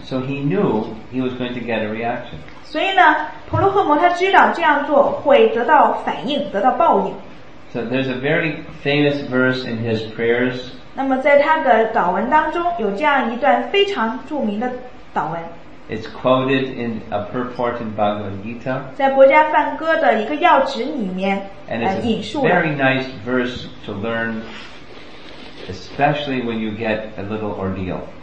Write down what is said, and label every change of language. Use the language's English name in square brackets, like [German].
[English] So he knew he was going to get a reaction. [Chinese] 所以呢，婆罗诃摩他知道这样做会得到反应，得到报应。 [English] So there's a very famous verse in his prayers. [Chinese] 那么在他的祷文当中，有这样一段非常著名的祷文。 [English] It's quoted in a purport in Bhagavad Gita. [Chinese] 在《博迦梵歌》的一个要旨里面， [English] and it's a very nice verse to learn, especially when you get a little ordeal.